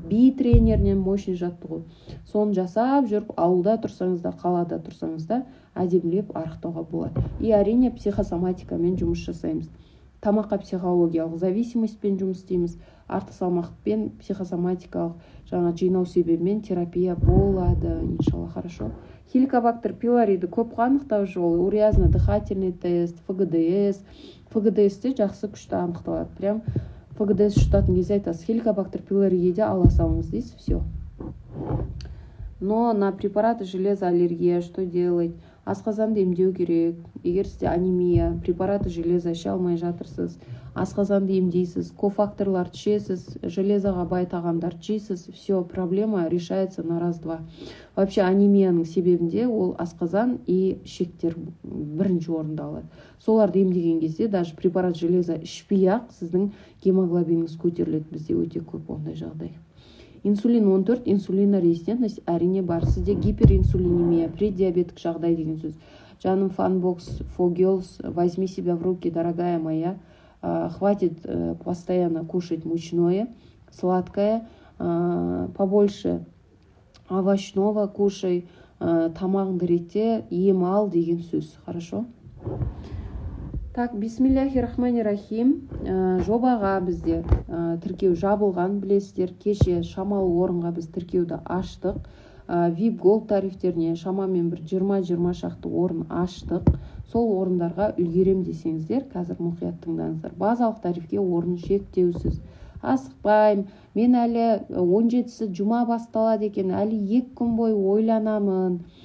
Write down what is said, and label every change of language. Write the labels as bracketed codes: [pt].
[kk] Би-тренерінен мощный жаттығу. Соны жасап жүріп, ауылда тұрсаңыз да, қалада тұрсаңыз да, әдемілеп арықтауға болады. И әрине, психосоматикамен жұмыс жасаймыз. Тамаққа психологиялық зависимостьпен жұмыс істейміз. Арты салмақпен психосоматикалық жаңа жинау себебімен терапия болады, иншалла, [ru] хорошо. [kk] Хеликобактер пилориды көп анықтау жолы, [ru] уриазный дыхательный тест, [kk] ФГДС. ФГДС-те жақсы күшті анықталады. Прям ФГДС шутатын кезде айтасыз, хеликобактер пилориде ала салыңыз, дейсіз, [ru] все. Но на препараты железоаллергия что делать? [kk] Асқазанды емдеу керек, егер сізде анемия, [ru] препараты железо [kk] іше алмай жатырсыз, асқазанды емдейсіз, кофакторлар ішесіз, железоға бай тағамдар ішесіз, [ru] все, проблема решается на раз-два. Вообще [kk] анемияның себебінде ол асқазан и ішектер бірінші орында алады. Соларды емдеген кезде [ru] даже препарат железо [kk] ішпей-ақ сіздің гемоглобиніңіз көтеріледі, бізде өте көп ондай жағдай. Инсулин 14, инсулинорезистентность әрине бар. Сізде гиперинсулинемия, преддиабеттік жағдай деген сөз. [ru] Жаным фанбокс, фогелс, возьми себя в руки, дорогая моя. Хватит постоянно кушать мучное, сладкое. Побольше овощного кушай. [kk] тамағыңды ретте, ем ал деген сөз. [ru] Хорошо? [ar] Так, бисмиллахи рахмани рахим. [kk] Жобаға бізде тіркеу жабылған, білесіздер. Кеше шамалы орынға біз тіркеуді аштық. VIP Gold тарифтеріне шамамен бір 20-20 шақты орын аштық. Сол орындарға үлгерем десеңіздер, қазір мұқият тыңдаңыздар. Базалық тарифке орын шектеусіз. Асықпайым, мен әлі 17-сі жұма басталады екен, әлі 2 күн бой ойланамын.